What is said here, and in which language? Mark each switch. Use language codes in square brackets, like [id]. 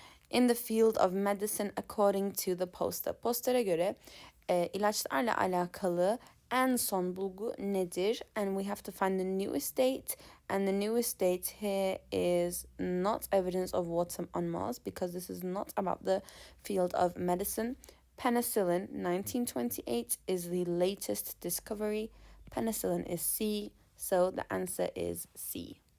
[en] In the field of medicine according to the poster. [tr] Postere göre ilaçlarla alakalı en son bulgu nedir? [en] And we have to find the newest date. And the newest date here is not evidence of water on Mars because this is not about the field of medicine. Penicillin, 1928, is the latest discovery. Penicillin is C, so the answer is C.